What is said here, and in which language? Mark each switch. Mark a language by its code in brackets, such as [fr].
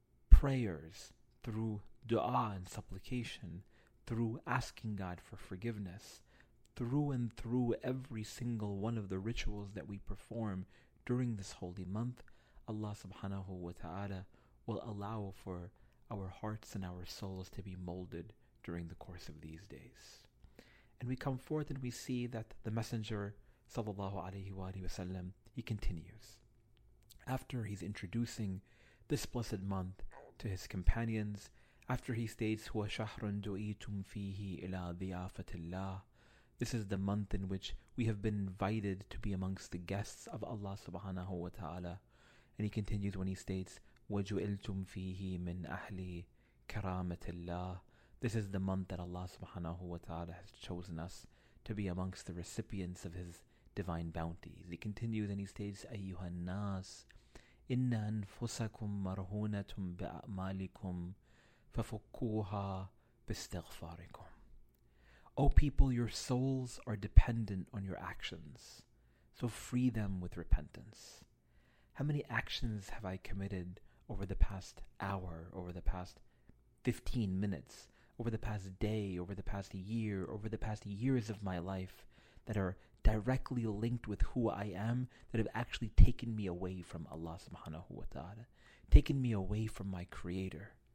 [en] prayers, through dua and supplication, through asking God for forgiveness, through and through every single one of the rituals that we perform during this holy month, Allah subhanahu wa ta'ala will allow for our hearts and our souls to be molded during the course of these days. And we come forth and we see that the Messenger sallallahu alayhi wa sallam, he continues. After he's introducing this blessed month to his companions after he states [ar] هو شهر دعيتم فيه إلى ضيافة الله. [en] This is the month in which we have been invited to be amongst the guests of Allah subhanahu wa ta'ala. And he continues when he states [ar] وجئتم فيه من أهل كرامة الله. [en] This is the month that Allah subhanahu wa ta'ala has chosen us to be amongst the recipients of his divine bounties. [ar] He continues and he states, أَيُّهَا النَّاسِ إِنَّ أَنفُسَكُمْ مَرْهُونَةٌ بِأَعْمَالِكُمْ فَفُكُّوهَا بِاسْتِغْفَارِكُمْ. [en] O people, your souls are dependent on your actions, so free them with repentance. How many actions have I committed over the past hour, over the past 15 minutes, over the past day, over the past year, over the past years of my life that are directly linked with who I am, that have actually taken me away from Allah subhanahu wa ta'ala, taken me away from my Creator?